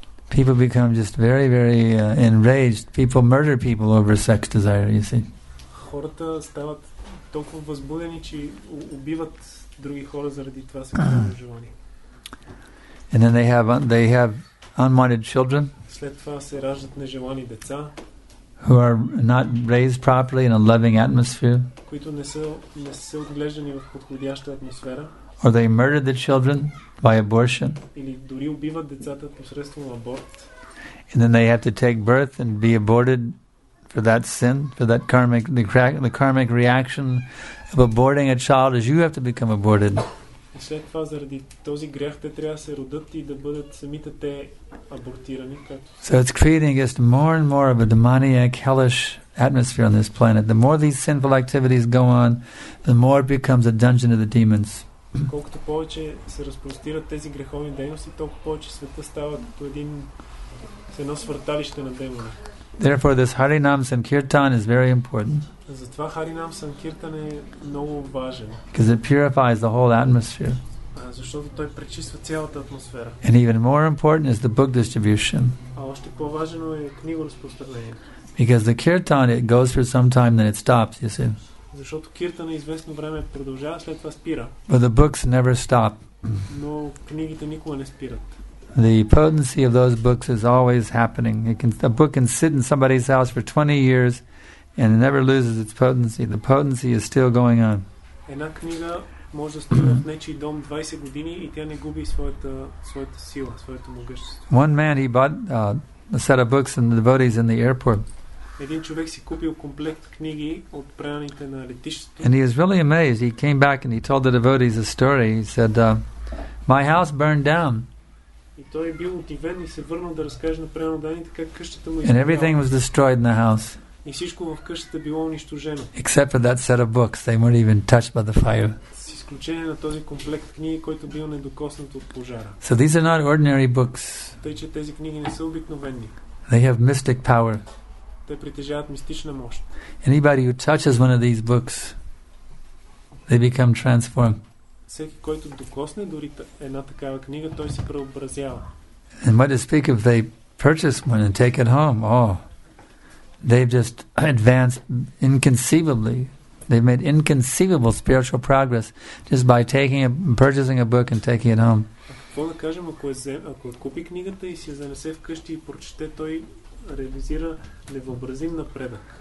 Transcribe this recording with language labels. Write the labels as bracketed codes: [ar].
[en] People become just very, very enraged. People murder people over sex desire, you see. [bg] Хората стават толкова възбудени, че убиват други хора заради това желание. [en] And then they have unwanted children. [bg] След това се раждат нежелани деца. [en] Who are not raised properly in a loving atmosphere. [bg] Които не са отглеждани в подходяща атмосфера. [en] Or they murder the children by abortion. [bg] Или дори убиват децата посредством аборт. [en] And then they have to take birth and be aborted for that sin, for that karmic, the karmic reaction of aborting a child is you have to become aborted. [bg] И след това заради този грех те трябва да се родят и да бъдат самите те абортирани. [en] So it's creating just more and more of a demoniac, hellish atmosphere on this planet. The more these sinful activities go on, the more it becomes a dungeon of the demons. [bg] Колкото повече се разпростират тези греховни дейности, толкова повече света става като един едно свърталище на демони. [en] Therefore, this Harinam Sankirtan is very important. [bg] Затова Харинам Санкиртан е много важен. [en] Because it purifies the whole atmosphere. [bg] Защото той пречиства цялата атмосфера. [en] And even more important is the book distribution. [bg] А още по-важно е книго разпространение. [en] Because the kirtan, it goes for some time, then it stops, you see. [bg] Защото киртана известно време продължава, след това спира. [en] But the books never stop. [bg] Но книгите никога не спират. [en] The potency of those books is always happening. A book can sit in somebody's house for 20 years and it never loses its potency. The potency is still going on. [bg] Една книга може да стои в нечий дом 20 години и тя не губи своята сила, своето могъщество. [en] One man, he bought a set of books and the devotees in the airport. [bg] Един човек си купил комплект книги от преданите на летището. [en] And he was really amazed. He came back and he told the devotees a story. He said, "My house burned down." [bg] И той бил удивен и се върнал да разкаже на преданите как къщата му. [en] And everything was destroyed in the house. [bg] И всичко в къщата било унищожено. [en] Except for that set of books, they weren't even touched by the fire. [bg] С изключение на този комплект книги, който бил недокоснат от пожара. [en] So these are not ordinary books. [bg] Тъй, че тези книги не са обикновени. [en] They have mystic power. [bg] Те притежават мистична мощ. [en] Anybody who touches one of these books, they become transformed. [bg] Всеки, който докосне дори една такава книга, той се преобразява. [en] And what to speak if they purchase one and take it home? Oh, they've just advanced inconceivably. They've made inconceivable spiritual progress just by taking and purchasing a book and taking it home. [bg] Какво да кажем, ако купи книгата и си я занесе вкъщи и прочете, той реализира невъобразим напредък.